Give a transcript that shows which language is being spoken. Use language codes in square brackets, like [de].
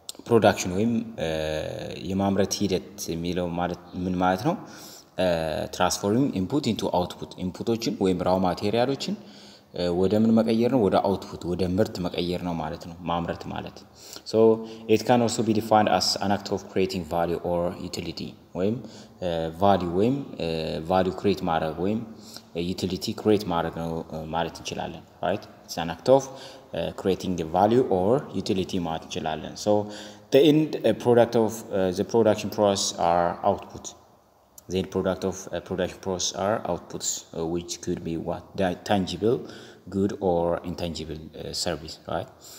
[am] Production ወይም የማምረት ሂደት የሚለው ማለት ምን ማለት ነው? [en] Transforming input into output. [am] Inputዎችን ወይም raw materialዎችን ወደ ምን መቀየር ነው? ወደ output, ወደ ምርት መቀየር ነው ማለት ነው, ማምረት ማለት. [en] So it can also be defined as an act of creating value or utility. [am] ወይም value ወይም value create ማድረግ ወይም utility create ማድረግ ነው ማለት እንችላለን, right? [en] It's an act of creating the value or utility [am] ማለት እንችላለን. [en] So the end product of the production process are output. The end product of a production process are outputs, which could be what? Tangible, good or intangible service, right?